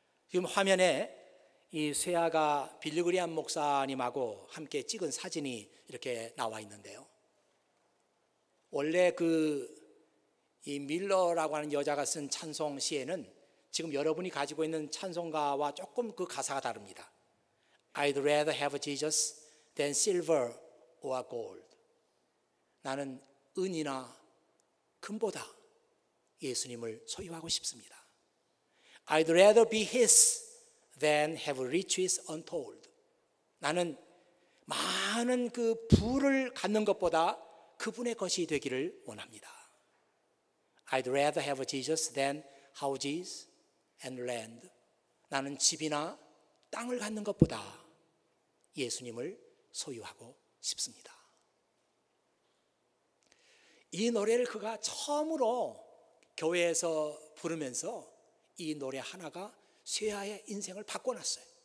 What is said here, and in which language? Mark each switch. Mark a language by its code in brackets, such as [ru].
[ko] 지금 화면에 이 쇠하가 빌리그리안 목사님하고 함께 찍은 사진이 이렇게 나와 있는데요. 원래 그 이 밀러라고 하는 여자가 쓴 찬송 시에는 지금 여러분이 가지고 있는 찬송가와 조금 그 가사가 다릅니다. [en] I'd rather have Jesus than silver or gold. [ko] 나는 은이나 금보다 예수님을 소유하고 싶습니다. [en] I'd rather be his than have riches untold. [ko] 나는 많은 그 부를 갖는 것보다 그분의 것이 되기를 원합니다. [en] I'd rather have Jesus than houses and land. [ko] 나는 집이나 땅을 갖는 것보다 예수님을 소유하고 싶습니다. 이 노래를 그가 처음으로 교회에서 부르면서 이 노래 하나가 쇠하의 인생을 바꿔놨어요.